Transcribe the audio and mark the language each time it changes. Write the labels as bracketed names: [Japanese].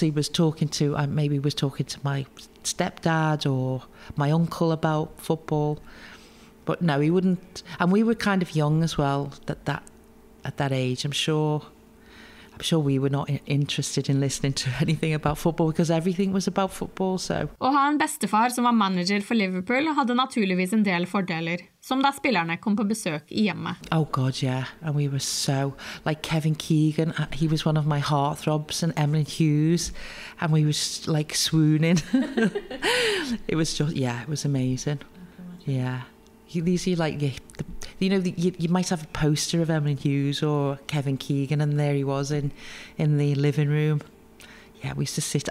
[English] He was talking to, maybe he was talking to my stepdad or my uncle about football. But no, he wouldn't. And we were kind of young as well at that age. I'm sure we were not interested in listening to anything about football because everything was about football. So. [Norwegian] Å ha en bestefar som var manager for Liverpool hadde naturligvis en del fordeler, som da spillerne kom på besøk I hjemmet. [English] Oh God, yeah. And we were so, like Kevin Keegan, he was one of my heartthrobs, and Emily Hughes, and we were like swooning. It was just, yeah, it was amazing. Yeah. These are like, you know, you might have a poster of Emily Hughes or Kevin Keegan, and there he was in the living room. Yeah, we used to sit.